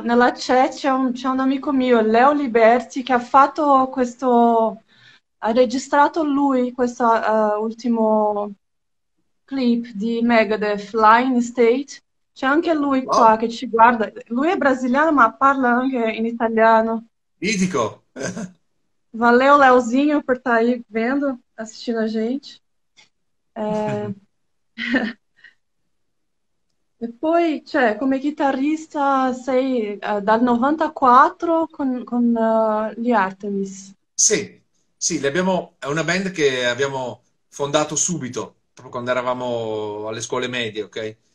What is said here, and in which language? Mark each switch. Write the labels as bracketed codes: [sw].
[it] nella chat, c'è un amico mio, Leo Liberti, che ha fatto questo, ha registrato lui questo ultimo clip di Megadeth, Lying State. C'è anche lui qua Wow. che ci guarda. Lui è brasiliano, ma parla anche in italiano. Mitico. [pt] Valeu, Leozinho, por estar aí vendo, assistindo a gente. [it] E poi, cioè, come chitarrista sei dal 94 con gli Arthemis. Sì, è una band che abbiamo fondato subito, proprio quando eravamo alle scuole medie, ok?